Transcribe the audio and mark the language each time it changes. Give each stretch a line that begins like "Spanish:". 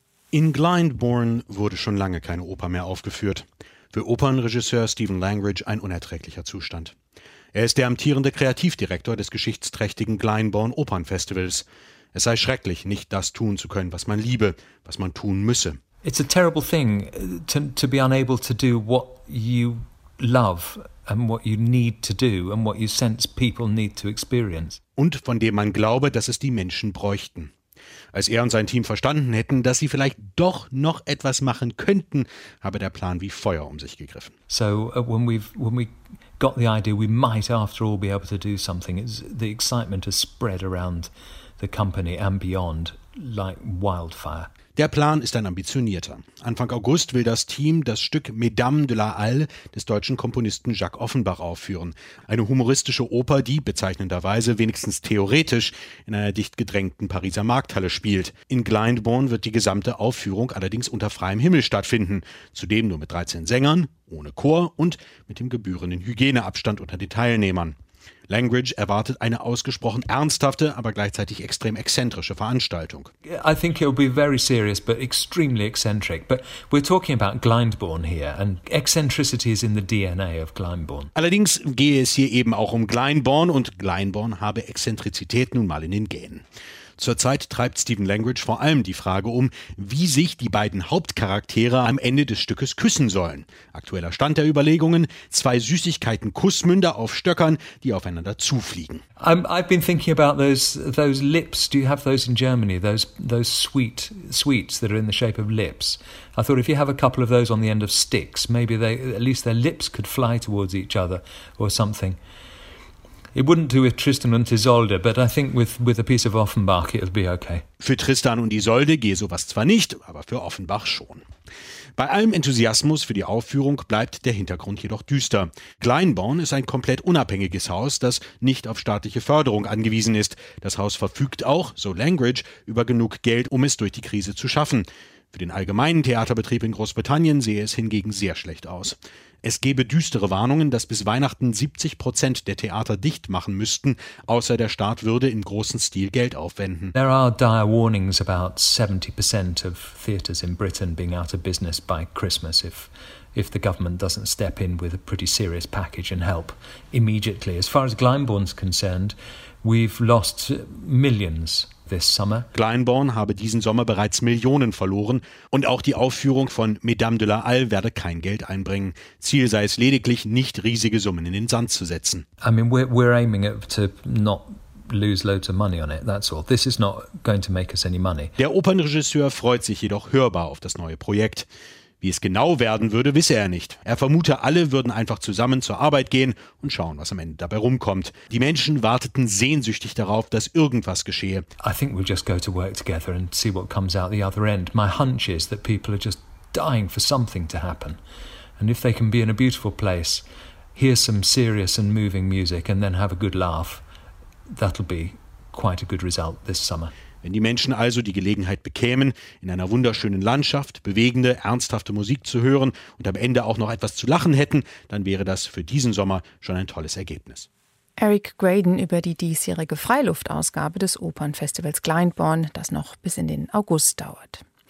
German: In Glyndebourne wurde schon lange keine Oper mehr aufgeführt. Für Opernregisseur Stephen Langridge ein unerträglicher Zustand. Er ist der amtierende Kreativdirektor des geschichtsträchtigen Glyndebourne Opernfestivals. Es sei schrecklich, nicht das tun zu können, was man liebe, was man tun müsse.
English: It's a terrible thing to be unable to do what you love and what you need to do and what you sense people need to experience.
German: Und von dem man glaube, dass es die Menschen bräuchten. Als er und sein Team verstanden hätten, dass sie vielleicht doch noch etwas machen könnten, habe der Plan wie Feuer um sich gegriffen.
English: So when we got the idea we might after all be able to do something, the excitement has spread around the company and beyond like wildfire.
German: Der Plan ist ein ambitionierter. Anfang August will das Team das Stück Mesdames de la Halle des deutschen Komponisten Jacques Offenbach aufführen. Eine humoristische Oper, die bezeichnenderweise wenigstens theoretisch in einer dicht gedrängten Pariser Markthalle spielt. In Glyndebourne wird die gesamte Aufführung allerdings unter freiem Himmel stattfinden. Zudem nur mit 13 Sängern, ohne Chor und mit dem gebührenden Hygieneabstand unter den Teilnehmern. Langridge erwartet eine ausgesprochen ernsthafte, aber gleichzeitig extrem exzentrische Veranstaltung.
English: I think it will be very serious, but extremely eccentric. But we're talking about Glyndebourne here, and eccentricity is in the DNA of Glyndebourne.
German: Allerdings gehe es hier eben auch um Glyndebourne, und Glyndebourne habe Exzentrizität nun mal in den Genen. Zurzeit treibt Stephen Langridge vor allem die Frage um, wie sich die beiden Hauptcharaktere am Ende des Stückes küssen sollen. Aktueller Stand der Überlegungen: zwei Süßigkeiten Kussmünder auf Stöckern, die aufeinander zufliegen.
English: I've been thinking about those lips. Do you have those in Germany? Those sweets that are in the shape of lips. I thought if you have a couple of those on the end of sticks, maybe they at least their lips could fly towards each other or something. It wouldn't do with Tristan and Isolde, but I think with a piece of Offenbach it'll be okay.
German: Für Tristan und Isolde gehe sowas zwar nicht, aber für Offenbach schon. Bei allem Enthusiasmus für die Aufführung bleibt der Hintergrund jedoch düster. Glyndebourne ist ein komplett unabhängiges Haus, das nicht auf staatliche Förderung angewiesen ist. Das Haus verfügt auch, so Langridge, über genug Geld, um es durch die Krise zu schaffen. Für den allgemeinen Theaterbetrieb in Großbritannien sehe es hingegen sehr schlecht aus. Es gäbe düstere Warnungen, dass bis Weihnachten 70% der Theater dicht machen müssten, außer der Staat würde im großen Stil Geld aufwenden.
English: There are dire warnings about 70% of theaters in Britain being out of business by Christmas if the government doesn't step in with a pretty serious package and help immediately. As far as Glyndebourne's concerned, we've lost millions.
German: Glyndebourne habe diesen Sommer bereits Millionen verloren und auch die Aufführung von Mesdames de la Halle werde kein Geld einbringen. Ziel sei es lediglich, nicht riesige Summen in den Sand zu setzen.
English: I mean, we're aiming it to not lose loads of money on it, that's all. This is not going to make us any money.
German: Der Opernregisseur freut sich jedoch hörbar auf das neue Projekt. Wie es genau werden würde, wisse er nicht. Er vermute, alle würden einfach zusammen zur Arbeit gehen und schauen, was am Ende dabei rumkommt. Die Menschen warteten sehnsüchtig darauf, dass irgendwas geschehe.
English: I think we'll just go to work together and see what comes out the other end. My hunch is that people are just dying for something to happen. And if they can be in a beautiful place, hear some serious and moving music and then have a good laugh, that'll be quite a good result this summer.
German: Wenn die Menschen also die Gelegenheit bekämen, in einer wunderschönen Landschaft bewegende, ernsthafte Musik zu hören und am Ende auch noch etwas zu lachen hätten, dann wäre das für diesen Sommer schon ein tolles Ergebnis. Eric Graydon über die diesjährige Freiluftausgabe des Opernfestivals Glyndebourne, das noch bis in den August dauert.